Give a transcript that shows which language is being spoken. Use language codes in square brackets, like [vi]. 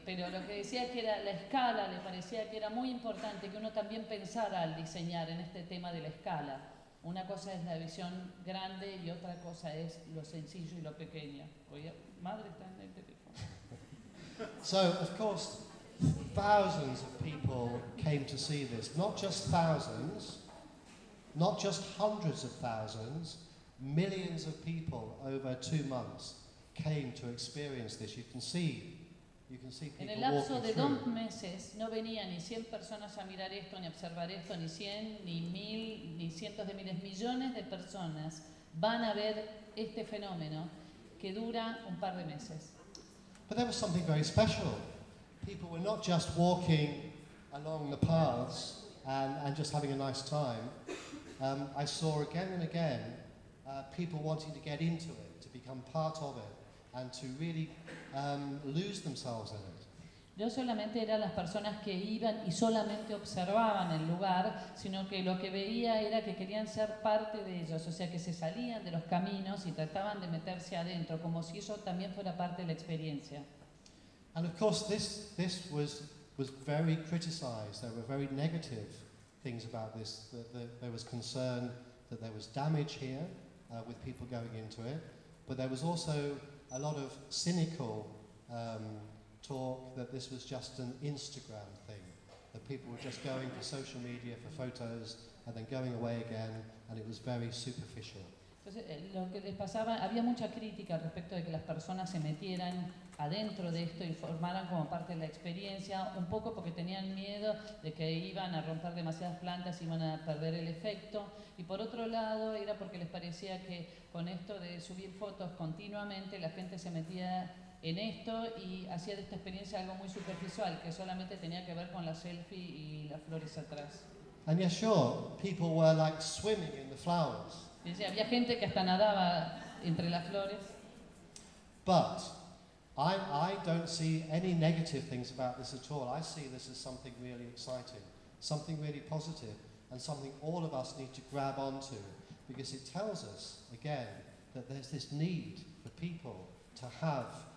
[es] Pero lo que decía es que era la escala, le parecía que era muy importante que uno también pensara al diseñar en este tema de la escala. Una cosa es la visión grande y otra cosa es lo sencillo y lo pequeño. Oye, madre está en el teléfono. [en] So, of course, thousands of people came to see this. Not just thousands, not just hundreds of thousands, millions of people over 2 months came to experience this. You can see people walking through. [es] En el lapso de 2 meses no venían ni 100 personas a mirar esto, ni observar esto, ni 100, ni 1000, ni cientos de miles, millones de personas van a ver este fenómeno que dura un par de meses. [en] But there was something very special. People were not just walking along the paths and just having a nice time. I saw again and again people wanting to get into it, to become part of it, and to really lose themselves in it. [es] No solamente eran las personas que iban y solamente observaban el lugar, sino que lo que veía era que querían ser parte de ellos, o sea, que se salían de los caminos y trataban de meterse adentro, como si eso también fuera parte de la experiencia. [en] And of course, this was very criticized. There were very negative things about this. There was concern that there was damage here with people going into it. But there was also a lot of cynical talk that this was just an Instagram thing, that people were just going to social media for photos and then going away again, and it was very superficial. [es] Entonces, lo que les pasaba, había mucha crítica respecto de que las personas se metieran adentro de esto y formaran como parte de la experiencia, un poco porque tenían miedo de que iban a romper demasiadas plantas y iban a perder el efecto. Y por otro lado, era porque les parecía que con esto de subir fotos continuamente, la gente se metía en esto y hacía de esta experiencia algo muy superficial, que solamente tenía que ver con la selfie y las flores atrás. [en] And yeah, sure, people were like swimming in the flowers. [es] Decía, había gente que hasta nadaba entre las flores. [en] But I don't see any negative things about this at all. I see this as something really exciting, something really positive, and something all of us need to grab onto, because it tells us, again, that there's this need for people to have